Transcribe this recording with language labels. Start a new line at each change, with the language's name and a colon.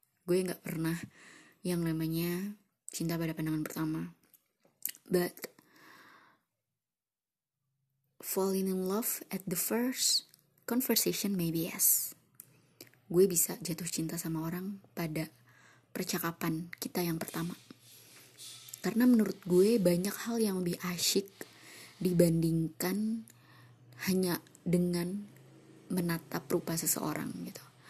Indonesian: Gue gak pernah yang namanya cinta pada pandangan pertama.
English: But falling in love at the first conversation, maybe yes.
Indonesian: Gue bisa jatuh cinta sama orang pada percakapan kita yang pertama. Karena menurut gue banyak hal yang lebih asyik dibandingkan hanya dengan menatap rupa seseorang gitu.